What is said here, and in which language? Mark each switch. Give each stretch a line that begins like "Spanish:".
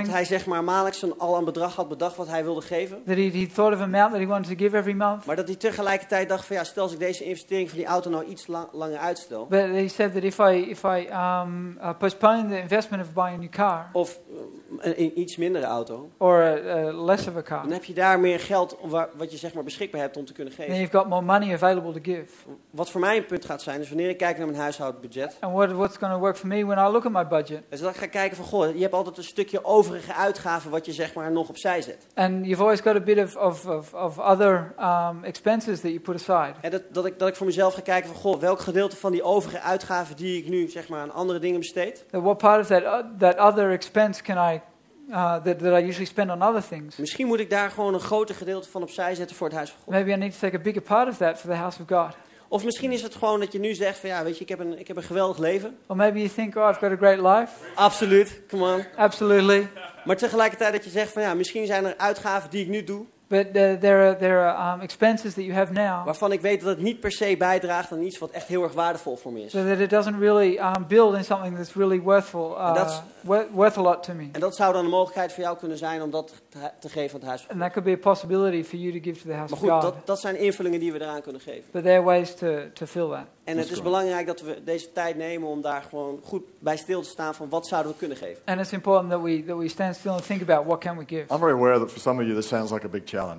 Dutch: Is dat hij zeg maar maandelijks al een bedrag had bedacht wat hij wilde geven.
English: That he thought of an amount that he wanted to give every month.
Dutch: Maar dat hij tegelijkertijd dacht van ja, stel als ik deze investering van die auto nou iets langer uitstel.
English: But he said that if I postpone the investment of buying a new car.
Dutch: Of een iets mindere auto.
English: Or less of a car.
Dutch: Dan heb je daar meer geld wat je zeg maar beschikbaar hebt om te kunnen geven.
English: Then you've got more money available to give.
Dutch: Wat voor mij een punt gaat zijn is wanneer ik kijk naar mijn huishoudbudget.
English: And what's going to work for me when I look at my budget?
Dutch: Is dat ik ga kijken van goh, je hebt altijd een stukje overige uitgaven wat je zeg maar nog opzij zet.
English: And you've always got a bit of other expenses that you put aside.
Dutch: En dat ik voor mezelf ga kijken van goh, welk gedeelte van die overige uitgaven die ik nu zeg maar aan andere dingen besteed?
English: What part of that other expense can I that I usually spend on other things.
Dutch: Misschien moet ik daar gewoon een groter gedeelte van opzij zetten voor het huis van God.
English: Maybe I need to take a bigger part of that for the house of God.
Dutch: Of misschien is het gewoon dat je nu zegt van ja, weet je, ik heb een geweldig leven.
English: Or maybe you think, oh, I've got a great life.
Dutch: Absoluut,
English: come on. Absolutely.
Dutch: Maar tegelijkertijd dat je zegt van ja, misschien zijn er uitgaven die ik nu doe.
English: But there are expenses that you have now.
Dutch: Waarvan ik weet dat het niet per se bijdraagt aan iets wat echt heel erg waardevol voor me is.
English: So that it doesn't really build in something that's really worth a lot to me.
Dutch: En dat zou dan een mogelijkheid voor jou kunnen zijn om dat te geven aan het huis van God.
English: And that could be a possibility for you to give to the house of God.
Dutch: Maar goed, dat zijn invullingen die we eraan kunnen geven.
English: But there are ways to fill that.
Dutch: En het is belangrijk dat we deze tijd nemen om daar gewoon goed bij stil te staan van wat zouden we kunnen geven.
English: And it's important that we stand still and think about what can we give. I'm very aware that for some of you this sounds like a big challenge.